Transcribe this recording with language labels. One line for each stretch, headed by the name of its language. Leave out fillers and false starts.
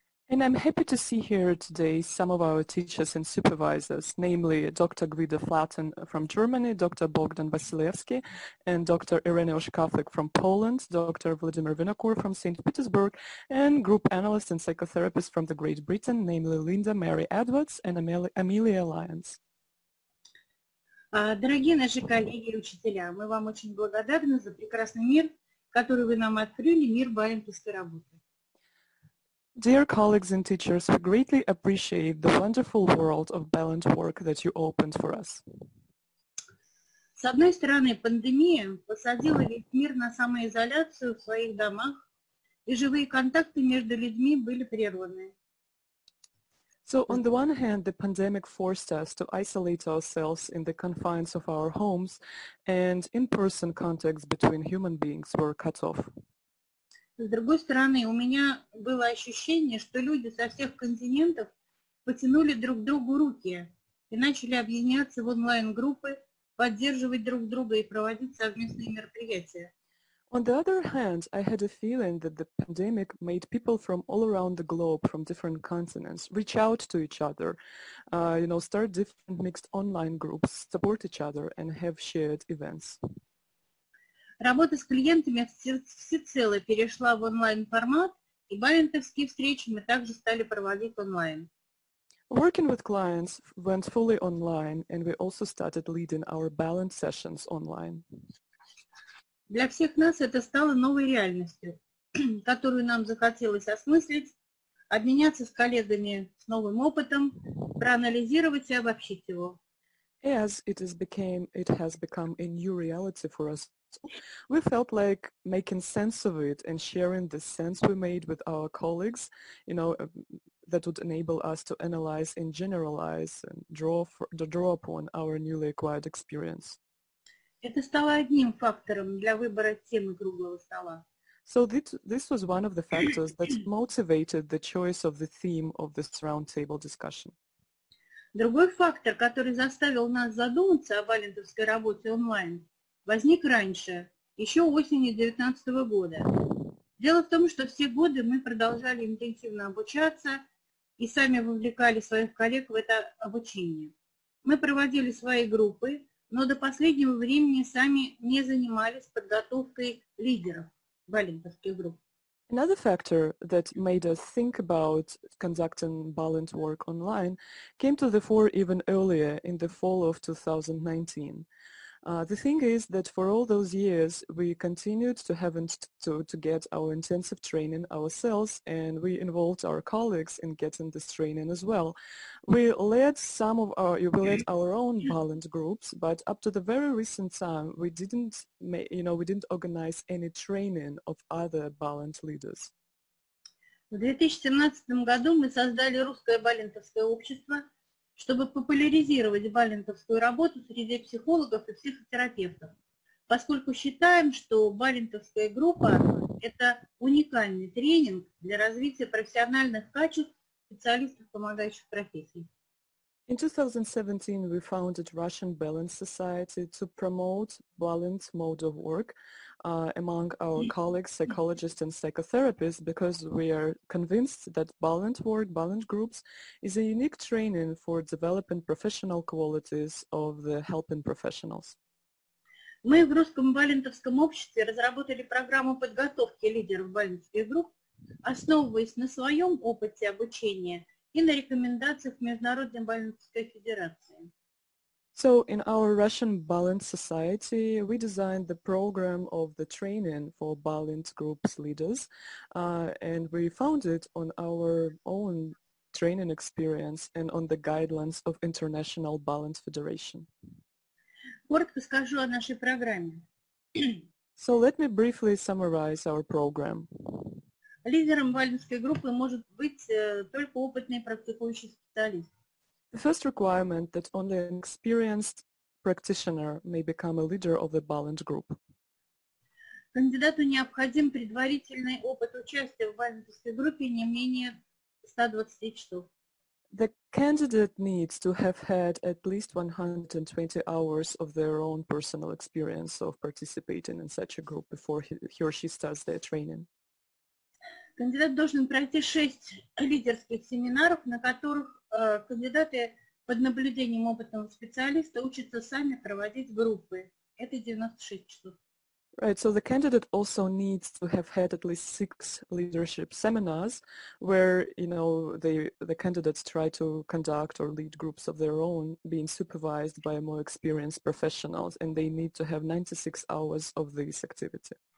English: And I'm happy to see here today some of our teachers and supervisors, namely Dr. Gvido Flatten from Germany, Dr. Bogdan Wasilewski, and Dr. Ireneusz Kaflik from Poland, Dr. Vladimir Vinokur from St. Petersburg, and group analyst and psychotherapist from the Great Britain, namely Linda Mary Edwards and Amelia Lyons.
Russian: Дорогие наши коллеги и учителя, мы вам очень благодарны за прекрасный мир, который вы нам открыли, мир баленковской работы.
English: Dear colleagues and teachers, we greatly appreciate the wonderful world of balance work that you opened for us.
Russian: С одной стороны, пандемия посадила весь мир на самоизоляцию в своих домах, и живые контакты между людьми были прерваны.
English: So on the one hand, the pandemic forced us to isolate ourselves in the confines of our homes, and in-person contacts between human beings were cut off.
Russian: С другой стороны, у меня было ощущение, что люди со всех континентов потянули друг другу руки и начали объединяться в онлайн-группы, поддерживать друг друга и проводить совместные мероприятия.
English: On the other hand, I had a feeling that the pandemic made people from all around the globe, from different continents, reach out to each other, you know, start different mixed online groups, support each other and have shared events.
Russian: Работа с клиентами всецело перешла в онлайн-формат, и балентовские встречи мы также стали проводить онлайн.
English: Working with clients went fully online, and we also started leading our balance sessions online.
Russian: Для всех нас это стало новой реальностью, которую нам захотелось осмыслить, обменяться с коллегами с новым опытом, проанализировать и обобщить его.
English: As it has become a new reality for us. We felt like making sense of it and sharing the sense we made with our colleagues, you know, that would enable us to analyze and generalize and draw upon our newly acquired experience.
Russian: Это стало одним фактором для выбора темы круглого стола.
English: So this was one of the factors that motivated the choice of the theme of this roundtable discussion.
Russian: Другой фактор, который заставил нас задуматься о валентовской работе онлайн, возник раньше, еще осенью 2019 года. Дело в том, что все годы мы продолжали интенсивно обучаться и сами вовлекали своих коллег в это обучение. Мы проводили свои группы, но до последнего времени сами не занимались подготовкой лидеров валентовских групп.
English: Another factor that made us think about conducting Balint work online came to the fore even earlier in the fall of 2019. The thing is that for all those years, we continued to have to get our intensive training ourselves, and we involved our colleagues in getting this training as well. We led some of our, we led our own Balint groups, but up to the very recent time, we didn't, you know, we didn't organize any training of other Balint leaders.
Russian: В 2017 году мы создали Русское Балинтовское общество, чтобы популяризировать балинтовскую работу среди психологов и психотерапевтов, поскольку считаем, что балинтовская группа – это уникальный тренинг для развития профессиональных качеств специалистов помогающих профессий.
English: In 2017, we founded Russian Balint Society to promote Balint mode of work among our colleagues, psychologists and psychotherapists, because we are convinced that Balint work, Balint groups, is a unique training for developing professional qualities of the helping professionals.
Russian: Мы в Русском Балинтовском обществе разработали программу подготовки лидеров балинтовских групп, основываясь на своем опыте обучения и на рекомендациях Международной Балинтовской Федерации.
English: So in our Russian Balint Society, we designed the program of the training for Balint groups leaders, and we found it on our own training experience and on the guidelines of International Balint Federation.
Russian: Коротко скажу о нашей программе.
English: So let me briefly summarize our program.
Russian: Лидером балинтской группы может быть только опытный практикующий специалист.
English: The first requirement that only an experienced practitioner may become a leader of the Balint group.
Russian: Кандидату необходим предварительный опыт участия в балинтовской группе не менее 120 часов.
English: The candidate needs to have had at least 120 hours of their own personal experience of participating in such a group before he or she starts their training.
Russian: Кандидат должен пройти 6 лидерских семинаров, на которых кандидаты под наблюдением опытного специалиста учатся сами проводить группы. Это 96 часов.
English: Right, so the candidate also needs to have had at least 6 leadership seminars where, you know, the candidates try to conduct or lead groups of their own, being supervised by more experienced professionals, and they need to have 96 hours of this activity.